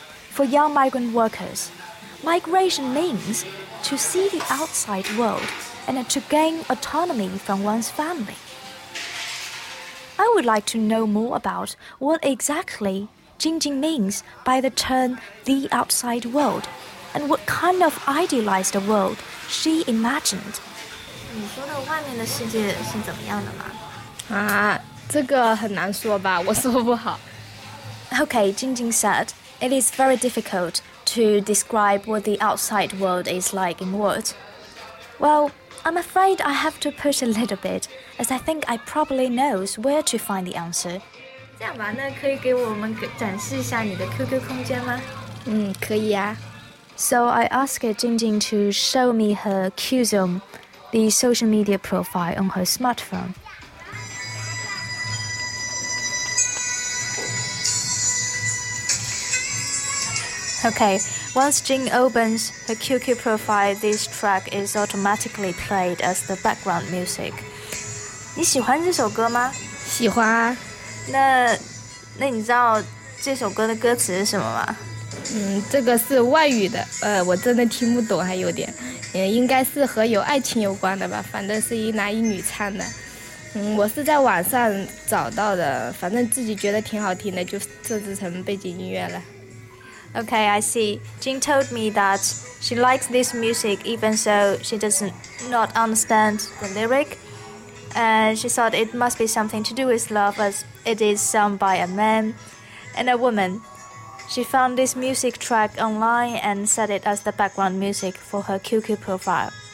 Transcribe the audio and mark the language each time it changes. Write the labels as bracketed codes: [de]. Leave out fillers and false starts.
[en] For young migrant workers, migration means to see the outside world and to gain autonomy from one's family. I would like to know more about what exactly Jingjing means by the term the outside world and what kind of idealized world she imagined. [zh] 你说的外面的世界是怎么样的吗？这个很难说吧，我说不好。 [en] Okay, Jingjing said, it is very difficult to describe what the outside world is like in words. Well, I'm afraid I have to push a little bit, as I think I probably knows where to find the answer. [zh] 这样吧，那可以给我们展示一下你的QQ空间吗？嗯，可以啊。 [en] So I asked Jingjing to show me her QZone, the social media profile on her smartphone. Okay, once Jing opens her QQ profile, this track is automatically played as the background music. [zh] 你喜欢这首歌吗？喜欢啊。那你知道这首歌的歌词是什么吗？这个是外语的，我真的听不懂，还有点，应该是和有爱情有关的吧，反正是一男一女唱的。我是在网上找到的，反正自己觉得挺好听的，就设置成背景音乐了。 [en] Okay, I see. Jin told me that she likes this music even though she doesn't understand the lyric. And she thought it must be something to do with love as it is sung by a man and a woman. She found this music track online and set it as the background music for her QQ profile.